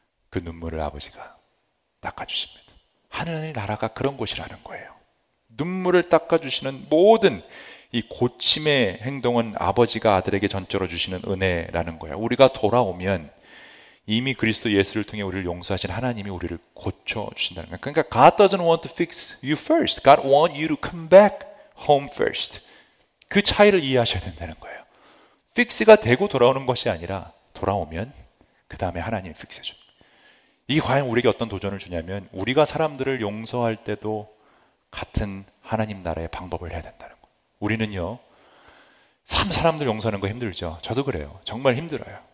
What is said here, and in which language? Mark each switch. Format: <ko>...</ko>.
<ko>그 눈물을 아버지가 닦아주십니다. 하늘 나라가 그런 곳이라는 거예요. 눈물을 닦아주시는 모든 이 고침의 행동은 아버지가 아들에게 전적으로 주시는 은혜라는 거예요. 우리가 돌아오면 이미 그리스도 예수를 통해 우리를 용서하신 하나님이 우리를 고쳐주신다는 거예요. 그러니까</ko> <en>God doesn't want to fix you first. God wants you to come back home first.</en> <ko>그 차이를 이해하셔야 된다는 거예요. Fix가 되고 돌아오는 것이 아니라 돌아오면 그 다음에 하나님이 fix해줍니다. 이게 과연 우리에게 어떤 도전을 주냐면 우리가 사람들을 용서할 때도 같은 하나님 나라의 방법을 해야 된다는 거. 우리는요, 참 사람들 용서하는 거 힘들죠. 저도 그래요. 정말 힘들어요.</ko>